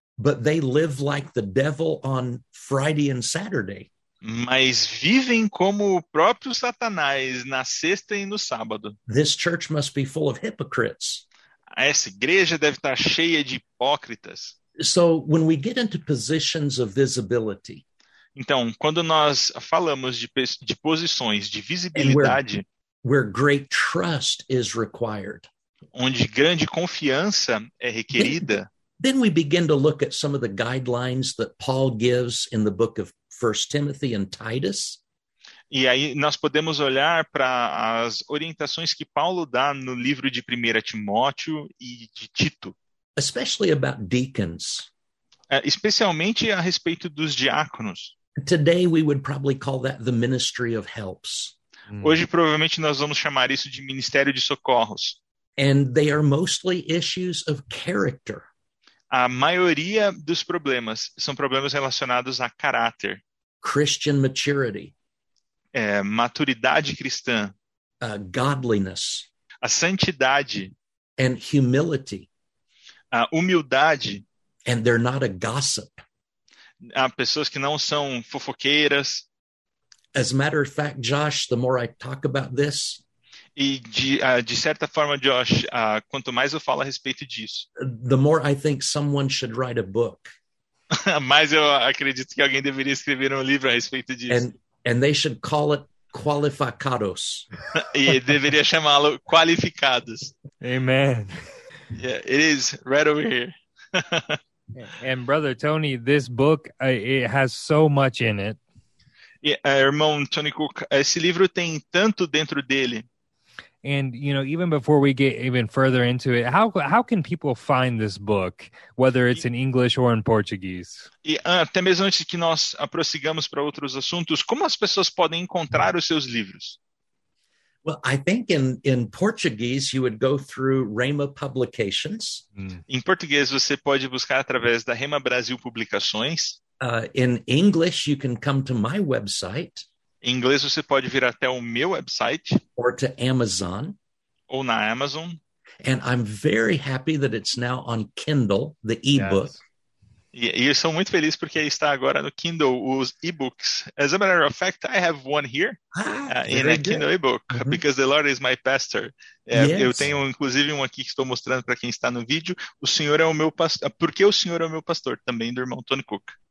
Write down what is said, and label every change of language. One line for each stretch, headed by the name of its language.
English: but they live like the devil on Friday and Saturday.
Portuguese: mas vivem como o próprio Satanás na sexta e no sábado.
English: This church must be full of hypocrites.
Portuguese: Essa igreja deve estar cheia de hipócritas.
English: So, when we get into positions of visibility,
Portuguese: Então, quando nós falamos de posições de
English: and
Portuguese: visibilidade,
English: where great trust is required,
Portuguese: onde grande confiança é requerida,
English: then we begin to look at some of the guidelines that Paul gives in the book of 1 Timothy and Titus.
Portuguese: e aí nós podemos olhar para as orientações que Paulo dá no livro de 1 Timóteo e de Tito,
English: Especially about deacons.
Portuguese: especialmente a respeito dos diáconos.
English: Today we would probably call that the ministry of helps.
Portuguese: Hoje, provavelmente, nós vamos chamar isso de Ministério de Socorros.
English: And they are mostly issues of character.
Portuguese: A maioria dos problemas são problemas relacionados a caráter,
English: Christian maturity.
Portuguese: maturidade cristã,
English: Godliness
Portuguese: a santidade,
English: and humility.
Portuguese: a humildade,
English: And they're not a gossip.
Portuguese: a pessoas que não são fofoqueiras.
English: As a matter of fact, Josh, the more I talk about this,
Portuguese: E de certa forma, Josh, quanto mais eu falo a respeito disso,
English: the more I think someone should write a book.
Portuguese: mais eu acredito que alguém deveria escrever um livro a respeito disso.
English: And they should call it qualificados.
Portuguese: E deveria chamá-lo qualificados.
English: Amen. Yeah, it is right over here. And brother Tony, this book, it has so much in it.
Portuguese: Irmão Tony Cook, esse livro tem tanto dentro dele.
English: And you know, even before we get even further into it, how can people find this book, whether it's in English or in Portuguese?
Portuguese: E até mesmo antes que nós prossigamos para outros assuntos, como as pessoas podem encontrar os seus livros?
English: Well, I think in Portuguese you would go through Rhema Publications.
Portuguese: Em português, você pode buscar através da Rema Brasil Publicações.
English: In English you can come to my website
Portuguese: Em inglês, você pode vir até o meu website
English: or to Amazon.
Portuguese: ou na Amazon.
English: And I'm very happy that it's now on Kindle, the ebook. Yes.
Portuguese: E eu sou muito feliz porque está agora no Kindle os ebooks.
English: As a matter of fact, I have one here in a Kindle ebook because the Lord is my pastor. Yes.
Portuguese: Eu tenho inclusive um aqui que estou mostrando para quem está no vídeo. O Senhor é o meu pastor. Porque o Senhor é o meu pastor, também do irmão Tony Cook.